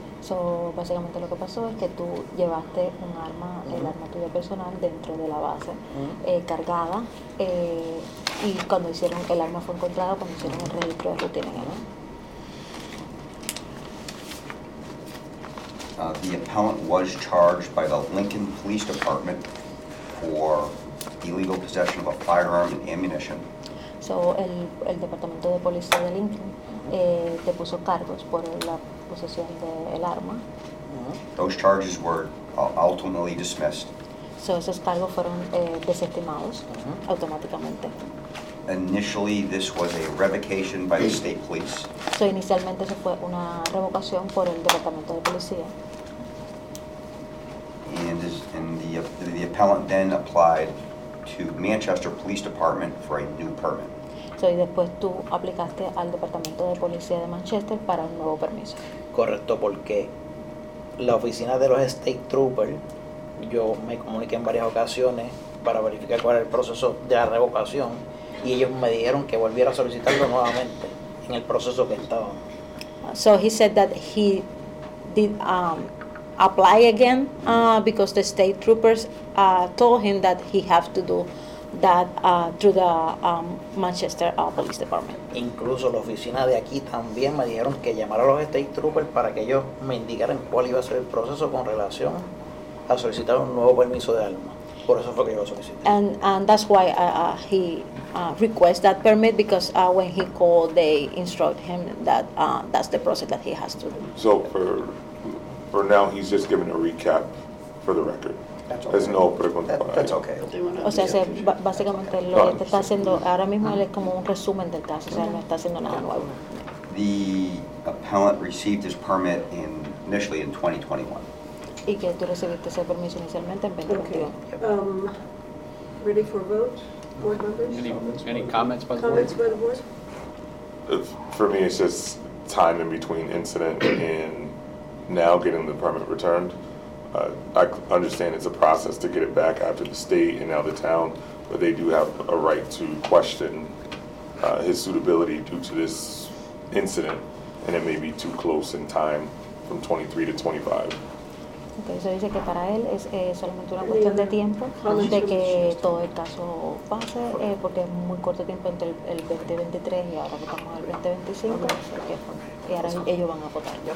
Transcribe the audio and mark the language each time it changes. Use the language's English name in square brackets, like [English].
[Spanish] So básicamente lo que pasó es que tú llevaste un arma, el arma tuya personal, dentro de la base, cargada, y cuando hicieron el arma fue encontrada cuando hicieron el registro de rutina, ¿no? [English] The appellant was charged by the Lincoln Police Department for illegal possession of a firearm and ammunition. [Spanish] So el departamento de policía de Lincoln te puso cargos por la posesión del arma. [English] Those charges were ultimately dismissed. [Spanish] So esos cargos fueron desestimados automáticamente. [English] Initially, this was a revocation by the state police. [Spanish] So inicialmente eso fue una revocación por el departamento de policía. [English] And the appellant then applied to Manchester Police Department for a new permit. [Spanish] So, y después tú aplicaste al Departamento de Policía de Manchester para un nuevo permiso. Correcto, porque la oficina de los State Troopers, yo me comuniqué en varias ocasiones para verificar cuál era el proceso de la revocación y ellos me dijeron que volviera a solicitarlo nuevamente en el proceso que estaba. [English] So, he said that he did apply again because the State Troopers told him that he have to do that through the Manchester Police Department. [Spanish] Incluso la oficina de aquí también me dijeron que llamara a los State Troopers para que ellos me indicaran cuál iba a ser el proceso con relación a solicitar un nuevo permiso de arma. Por eso fue que yo lo solicité. [English] And that's why he requested that permit, because when he called, they instruct him that that's the process that he has to do. So for now, he's just giving a recap for the record. That's okay. [Spanish] No pregunta. [English] That's okay. [Spanish] O sea, se, básicamente lo que está haciendo ahora mismo es como un resumen del caso. O sea, no está haciendo nada nuevo. [English] The appellant received his permit initially in 2021. [Spanish] Y que tú recibiste ese permiso inicialmente en 2021. [English] Okay. Ready for vote, board members? Any comments by the board? Comments by the board? For me, it's just time in between incident and now getting the permit returned. I understand it's a process to get it back after the state and now the town, but they do have a right to question his suitability due to this incident, and it may be too close in time from 23 to 25. [Spanish] Okay, so dice que para él es solamente una cuestión de tiempo, de que todo el caso pase, porque es muy corto tiempo entre el 2023 y ahora que estamos en el 2025, y ahora ellos van a votar.